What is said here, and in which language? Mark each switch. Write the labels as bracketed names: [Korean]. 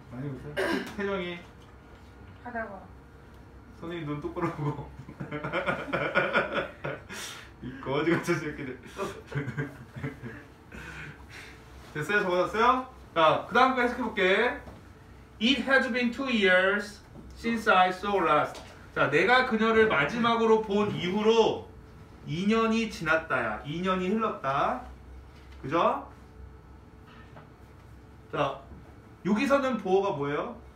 [Korean] 많이 못 했어? 태정이 하다가 선생님 눈 똑바로 보고 이 거지 같은 새끼들. 됐어요? 적어놨어요? 자, 그 다음 거 해석해볼게. [English] It has been 2 years since I saw last. [Korean] 자, 내가 그녀를 마지막으로 본 이후로 2년이 지났다야. 2년이 흘렀다. 그죠? 자, 여기서는 보호가 뭐예요?